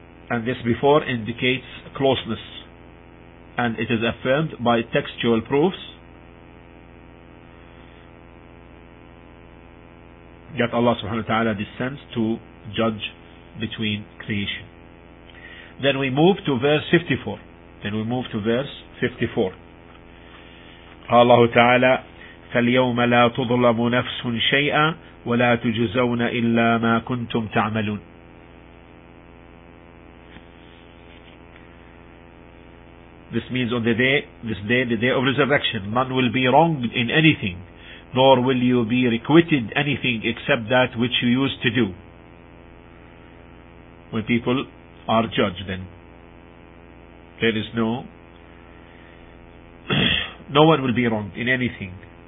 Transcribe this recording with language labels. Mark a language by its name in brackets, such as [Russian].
[English] And this before indicates closeness. And it is affirmed by textual proofs that Allah subhanahu wa ta'ala descends to judge between creation. Then we move to verse 54. [Arabic] قال الله تعالى فاليوم لا تظلم نفس شيئا ولا تجزون إلا ما كنتم تعملون. [English] This means on the day of resurrection, none will be wronged in anything, nor will you be requited anything except that which you used to do. When people are judged, then there is no one will be wrong in anything.